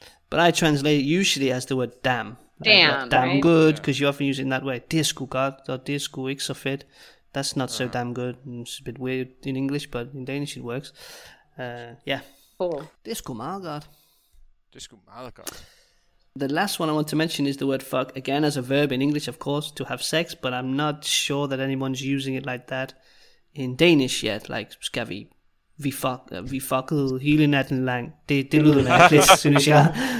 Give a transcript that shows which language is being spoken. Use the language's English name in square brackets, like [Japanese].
[English] But I translate it usually as the word damn. Damn, like, damn right? Good, because you often use it in that way. [Danish] Det er sgu godt, og det er sgu ikke så fedt. [English] That's not so damn good. It's a bit weird in English, but in Danish it works. Cool. [Danish] Det er sgu meget godt. Det er sgu meget godt. [English] The last one I want to mention is the word fuck, again as a verb in English, of course, to have sex, but I'm not sure that anyone's using it like that in Danish yet, like, [Danish] skal vi fucked hele natten lang, det lyder mærkeligt, synes jeg.